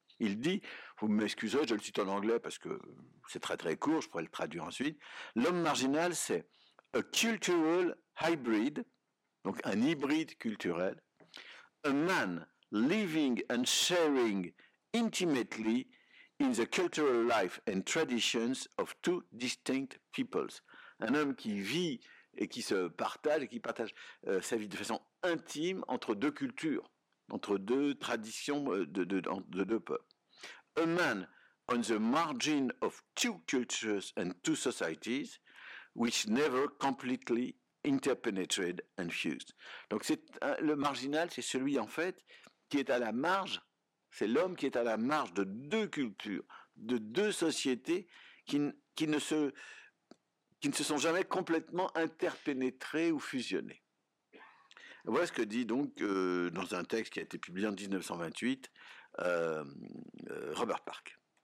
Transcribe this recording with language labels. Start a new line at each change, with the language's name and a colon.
French: Il dit, vous m'excuserez, je le cite en anglais parce que c'est très très court, je pourrais le traduire ensuite, l'homme marginal c'est «
English: a cultural hybrid
French: », donc un hybride culturel, «
English: a man living and sharing intimately in the cultural life and traditions of two distinct peoples ».
French: Un homme qui vit et qui se partage, et qui partage sa vie de façon intime entre deux cultures, entre deux traditions de deux peuples.
English: « A man on the margin of two cultures and two societies, which never completely interpenetrated and fused ».
French: Donc c'est, le marginal, c'est celui, en fait, qui est à la marge. C'est l'homme qui est à la marge de deux cultures, de deux sociétés qui ne se sont jamais complètement interpénétrées ou fusionnées. Voilà ce que dit donc, dans un texte qui a été publié en 1928, Robert Park.